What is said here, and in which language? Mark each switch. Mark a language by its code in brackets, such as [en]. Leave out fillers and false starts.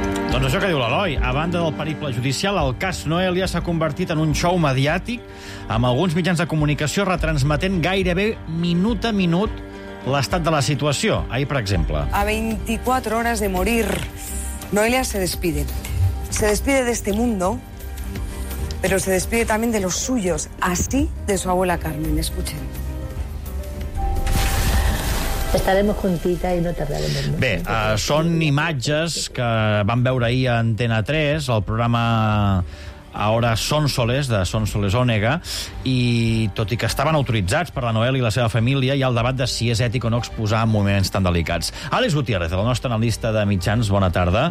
[ca] Doncs això que diu l'Eloi, a banda del periple judicial, el cas Noelia s'ha convertit en un xou mediàtic, amb alguns mitjans de comunicació retransmetent gairebé minut a minut l'estat de la situació. Ahir, per exemple. [es] A 24 hores de morir, Noelia se despide. Se despide de este mundo, pero se despide también de los suyos, así de su abuela Carmen. Escuchen. Estaremos juntitas y no tardaremos. [ca] Bé, són imatges que vam veure ahir a Antena 3, el programa Ahora Sónsoles, de Sónsoles Ònega, i tot i que estaven autoritzats per la Noel i la seva família, hi ha el debat de si és ètic o no exposar en moments tan delicats. Àlex Gutiérrez, el nostre analista de mitjans, bona tarda.